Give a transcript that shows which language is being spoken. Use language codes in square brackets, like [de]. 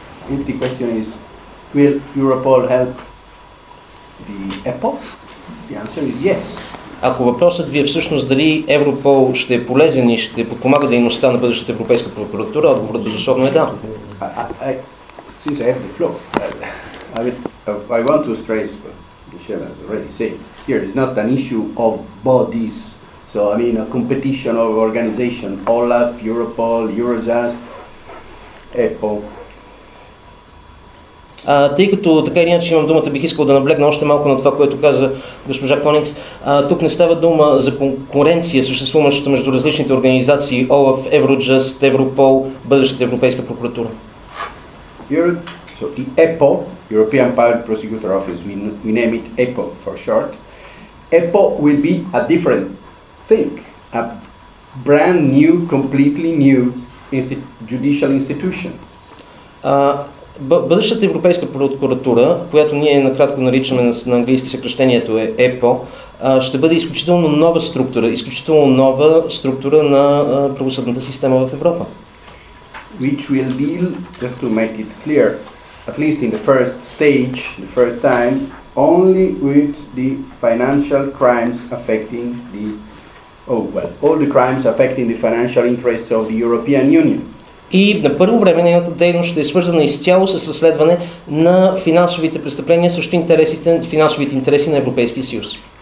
[en] If the question is, will Europol help the EPPO? The answer is yes. [bg] Ако въпросът ви е всъщност дали Европол ще е полезен и ще подпомага дейността на бъдещата Европейска прокуратура, отговорът безусловно е да. [en] since I have the floor, I want to stress what Michelle has already said. Here is not an issue of bodies. So, I mean, a competition of organization, OLAF, Europol, Eurojust, EPO. [bg] Тъй като така или иначе имам думата, бих искал да наблегна още малко на това, което каза госпожа Конингс. Тук не става дума за конкуренция, съществуваща между различните организации OLAF, Eurojust, Европол, бъдещата Европейска прокуратура. [en] So, EPO, European Public Prosecutor Office, we name it EPO for short. EPO will be a different thing, a brand new, completely new judicial institution. [bg] Бъдещата Европейска прокуратура, която ние накратко наричаме на английски съкръщението е EPO, ще бъде изключително нова структура, изключително нова структура на правосъдната система в Европа. [en] Which will deal, just to make it clear, at least in the first stage, the first time, only with the financial crimes affecting the, all the crimes affecting the financial interests of the European Union. [bg] И на първо време нейната дейност ще е свързана изцяло с разследване на финансовите престъпления срещу интересите, финансовите интереси на Европейския съюз.